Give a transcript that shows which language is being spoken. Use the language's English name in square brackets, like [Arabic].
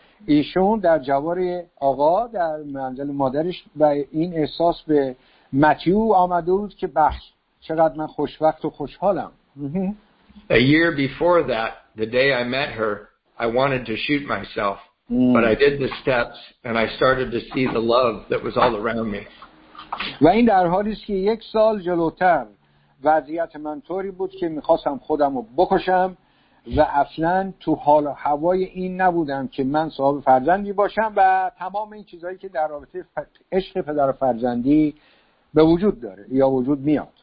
[Persian] ایشون در جوار آقا در منزل مادرش و این احساس به متیو آمده بود که بخش چقدر من خوشوقت و خوشحالم. [English] A year before that, the day I met her, I wanted to shoot myself, but I did the steps and I started to see the love that was all around me. [Persian] و این در حالی است که یک سال جلوتر وضعیت من طوری بود که می‌خواستم خودم رو بکشم و اصلاً تو حال و هوای این نبودم که من صاحب فرزندی باشم و تمام این چیزایی که در رابطه عشق پدر و فرزندی به وجود داره یا وجود میاد.